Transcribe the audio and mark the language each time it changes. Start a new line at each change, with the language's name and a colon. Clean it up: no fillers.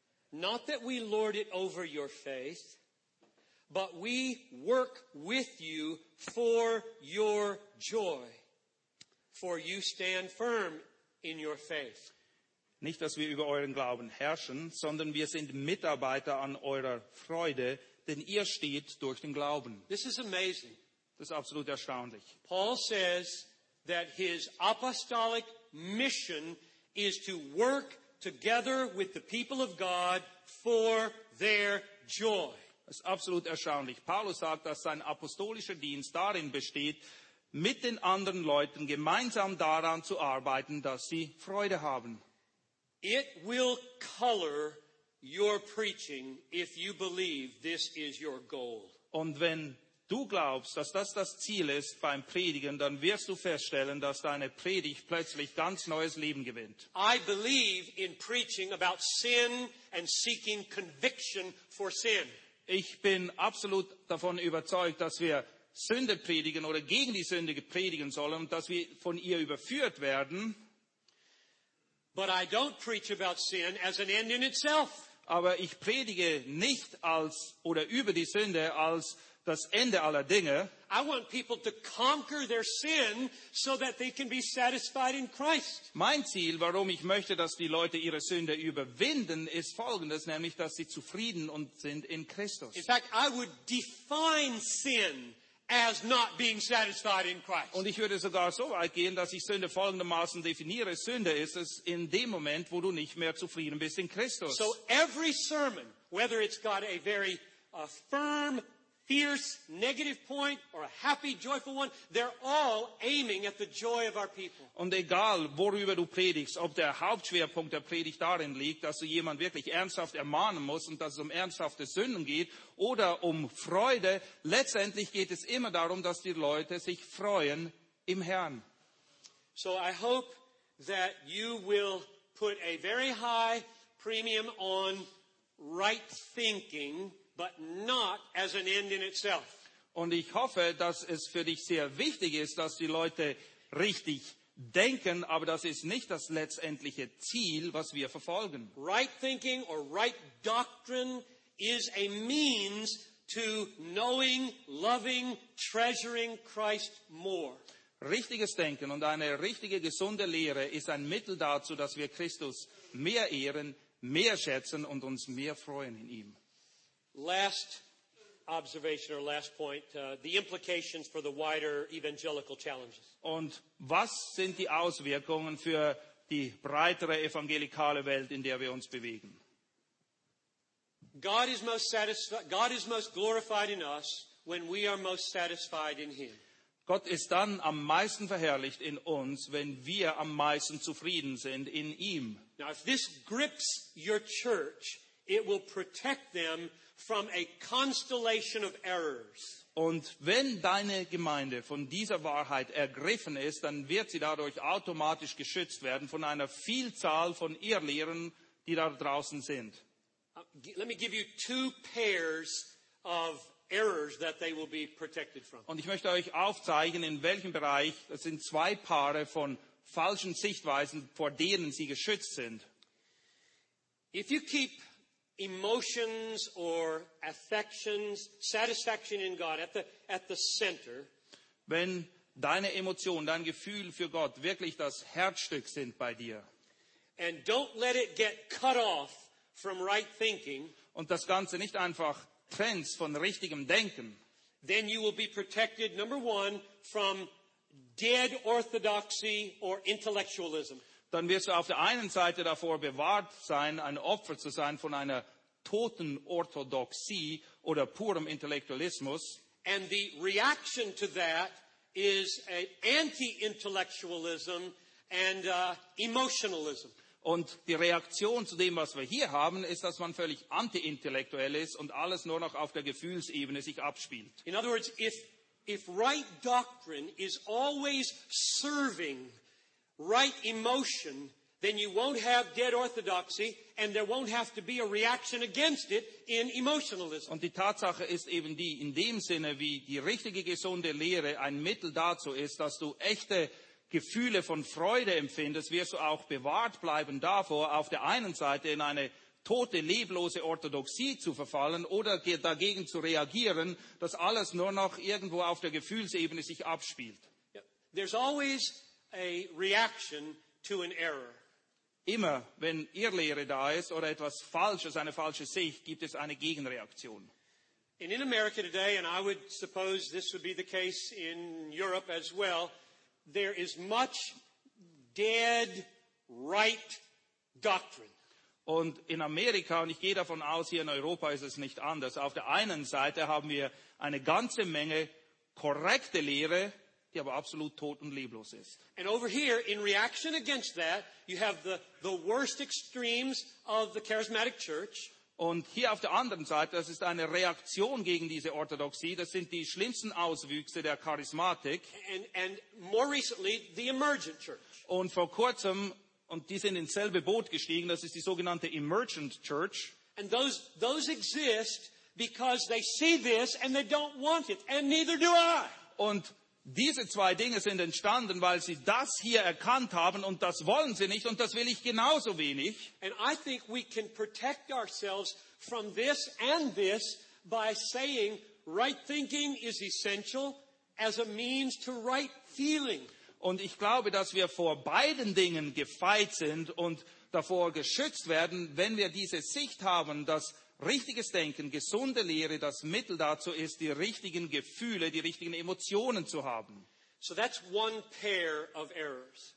English: Not that we lord it over your faith, but we work with you for your joy, for you stand firm in your faith.
German: Nicht, dass wir über euren Glauben herrschen, sondern wir sind Mitarbeiter an eurer Freude, denn ihr steht durch den Glauben.
English: This is amazing.
German: Das ist absolut erstaunlich.
English: Paul says that his apostolic mission is to work together with the people of God for their joy.
German: Das ist absolut erstaunlich. Paulus sagt, dass sein apostolischer Dienst darin besteht, mit den anderen Leuten gemeinsam daran zu arbeiten, dass sie Freude haben.
English: It will color your preaching if you believe this is your goal.
German: Und wenn du glaubst, dass das Ziel ist beim Predigen, dann wirst du feststellen, dass deine Predigt plötzlich ganz neues Leben gewinnt.
English: I believe in preaching about sin and seeking conviction for sin.
German: Ich bin absolut davon überzeugt, dass wir Sünde predigen oder gegen die Sünde predigen sollen und dass wir von ihr überführt werden.
English: But I don't preach about sin as an end in itself.
German: Aber ich predige nicht als oder über die Sünde als das Ende aller Dinge.
English: I want people to conquer their sin so that they can be satisfied in Christ.
German: Mein Ziel, warum ich möchte, dass die Leute ihre Sünde überwinden, ist folgendes, nämlich, dass sie zufrieden und sind in Christus.
English: In fact, I would define sin as not being satisfied in Christ.
German: Und ich würde sogar so weit gehen, dass ich Sünde folgendermaßen definiere. Sünde ist es in dem Moment, wo du nicht mehr zufrieden bist in Christus.
English: So every sermon, whether it's got a very firm, fierce, negative point or a happy, joyful one, they're all aiming at the joy of our people.
German: Und egal, worüber du predigst, ob der Hauptschwerpunkt der Predigt darin liegt, dass du jemanden wirklich ernsthaft ermahnen musst und dass es um ernsthafte Sünden geht oder um Freude, letztendlich geht es immer darum, dass die Leute sich freuen im Herrn.
English: So I hope that you will put a very high premium on right thinking, but not as an end in itself.
German: Und ich hoffe, dass es für dich sehr wichtig ist, dass die Leute richtig denken, aber das ist nicht das letztendliche Ziel, was wir verfolgen.
English: Right thinking or right doctrine is a means to knowing, loving, treasuring Christ more.
German: Richtiges Denken und eine richtige, gesunde Lehre ist ein Mittel dazu, dass wir Christus mehr ehren, mehr schätzen und uns mehr freuen in ihm.
English: Last observation or last point, the implications for the wider evangelical challenges.
German: Und was sind die Auswirkungen für die breitere evangelikale Welt, in der wir uns bewegen?
English: God is most glorified in us when we are most satisfied in him.
German: Gott ist dann am meisten verherrlicht in uns, wenn wir am meisten zufrieden sind in ihm.
English: Now if this grips your church, it will protect them from a constellation of errors.
German: Und wenn deine Gemeinde von dieser Wahrheit ergriffen ist, dann wird sie dadurch automatisch geschützt werden von einer Vielzahl von Irrlehren, die da draußen sind.
English: Let me give you two pairs of errors that they will be protected from.
German: Und ich möchte euch aufzeigen, in welchem Bereich, das sind zwei Paare von falschen Sichtweisen, vor denen sie geschützt sind.
English: If you keep emotions or affections, satisfaction in God at the center,
German: wenn deine Emotionen, dein Gefühl für Gott wirklich das Herzstück sind bei dir,
English: and don't let it get cut off from right thinking,
German: und das Ganze nicht einfach trennst von richtigem Denken,
English: then you will be protected, number one, from dead orthodoxy or intellectualism.
German: Dann wirst du auf der einen Seite davor bewahrt sein, ein Opfer zu sein von einer toten Orthodoxie oder purem Intellektualismus.
English: And the reaction to that is an anti-intellectualism and emotionalism.
German: Und die Reaktion zu dem, was wir hier haben, ist, dass man völlig anti-intellektuell ist und alles nur noch auf der Gefühlsebene sich abspielt.
English: In other words, if right doctrine is always serving right emotion, then you won't have dead orthodoxy and there won't have to be a reaction against it in emotionalism.
German: Und die Tatsache ist eben die, in dem Sinne, wie die richtige gesunde Lehre ein Mittel dazu ist, dass du echte Gefühle von Freude empfindest, wirst du auch bewahrt bleiben davor, auf der einen Seite in eine tote, leblose Orthodoxie zu verfallen oder dagegen zu reagieren, dass alles nur noch irgendwo auf der Gefühlsebene sich abspielt.
English: Yep. There's always a reaction to an error.
German: Immer, wenn Irrlehre da ist oder etwas Falsches, eine falsche Sicht, gibt es eine Gegenreaktion.
English: And in America today, and I would suppose this would be the case in Europe as well, there is much dead right doctrine.
German: Und in Amerika, und ich gehe davon aus, hier in Europa ist es nicht anders. Auf der einen Seite haben wir eine ganze Menge korrekte Lehre, die aber absolut tot und leblos ist.
English: And over here, in reaction against that, you have the worst extremes of the charismatic church.
German: Und hier auf der anderen Seite, das ist eine Reaktion gegen diese Orthodoxie, das sind die schlimmsten Auswüchse der Charismatik.
English: And more recently, the emergent church.
German: Und vor kurzem, und die sind ins selbe Boot gestiegen, das ist die sogenannte emergent church.
English: And those exist because they see this and they don't want it, and neither do I.
German: Und diese zwei Dinge sind entstanden, weil sie das hier erkannt haben und das wollen sie nicht und das will ich genauso wenig.
English: And I think we can protect ourselves from this and this by saying right thinking is essential as a means to right feeling.
German: Und ich glaube, dass wir vor beiden Dingen gefeit sind und davor geschützt werden, wenn wir diese Sicht haben, dass richtiges Denken, gesunde Lehre, das Mittel dazu ist, die richtigen Gefühle, die richtigen Emotionen zu haben.
English: So that's one pair of errors.